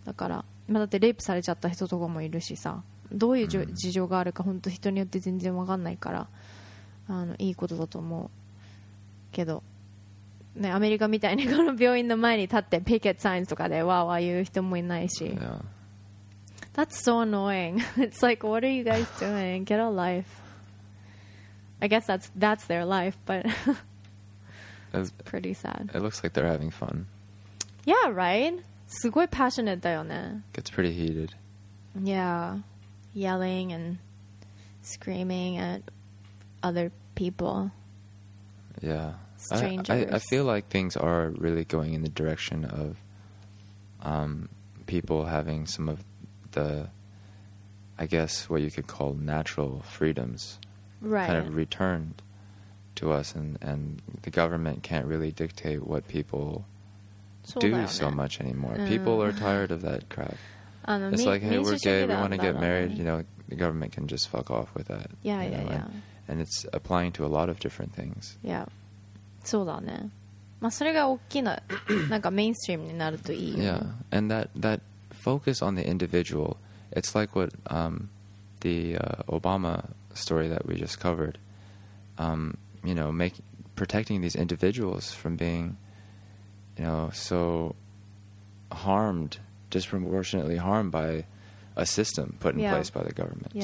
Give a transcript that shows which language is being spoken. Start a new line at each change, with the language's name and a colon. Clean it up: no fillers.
Japanese: だから、まあ、だってレイプされちゃった人とかもいるしさ、どういう事情があるか本当人によって全然わかんないから、あのいいことだと思うけど、ね、アメリカみたいにこの病院の前に立ってピケットサインとかでわーわー言う人もいないし、
English: That's so annoying. It's like, what are you guys doing? Get a life. I guess that's their life, butIt's pretty sad. It looks like they're having fun. Yeah, right?
Japanese: すごい passionate だよね。
English: Gets pretty heated. Yeah. Yelling and screaming at other people. Yeah. Strangers. I feel like things are really going in the direction of people having some of the, I guess, what you could call natural freedoms. Right. Kind of returned to us, and the government can't really dictate what people do so much anymore. People are tired of that crap. It's like, hey, we're gay, we want to get married, you know, the government can just fuck off with that. And it's applying to a lot of different things.
Japanese: Yeah. そうだね。まあ、それが大きな、なんかメインストリームになるといいよね。
English: Yeah. And that focus on the individual, it's like what the Obama story that we just covered. You know, protecting these individuals from being, you know, so harmed, disproportionately harmed by a system put in place by the government.